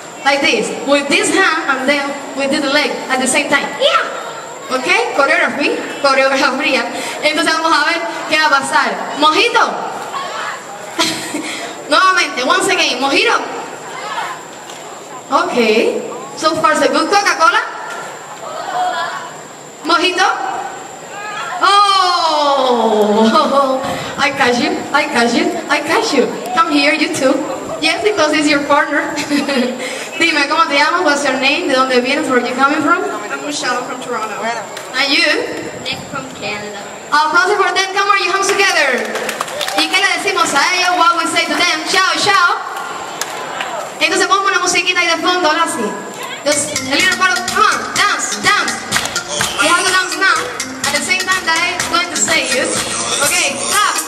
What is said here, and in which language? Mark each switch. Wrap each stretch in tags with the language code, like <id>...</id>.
<en>Like this, with this hand, and then we do the leg at the same time. Yeah! Okay? Choreography.</en> <es>Entonces vamos a ver qué va a pasar. Mojito. Nuevamente,</es> <en>once again. Mojito. Okay. So far, so good. Coca-Cola. Mojito. Oh! I catch you. Come here, you too. Yes, because it's your partner.</en> <es>Dime, ¿cómo te llamas?</es> <en>What's your name?</en> <es>¿De dónde vienes?</es> <en>Where are you coming from? I'm Michelle, I'm from Toronto. And you? Nick from Canada. Applause for them, come on, you hands together.</en> <es>¿Y qué le decimos a ellos?</es> <en>What we say to them?</en> <es>Chao, chao. Entonces pongo una musiquita ahí de fondo, ahora sí.</es> <en>Just a little part of, come on, dance. You have to dance now. At the same time that I'm going to say it. Okay, clap.</en>